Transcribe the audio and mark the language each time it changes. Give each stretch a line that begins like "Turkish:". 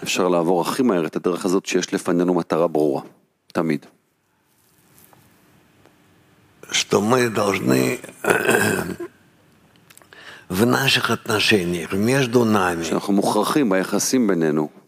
Hebrew: אפשר לעבור הכי מהר את הדרך הזאת שיש לפנינו מטרה ברורה, תמיד.
Russian: Что мы должны в наших отношениях между нами.
Hebrew: שאנחנו מוכרחים ביחסים בינינו.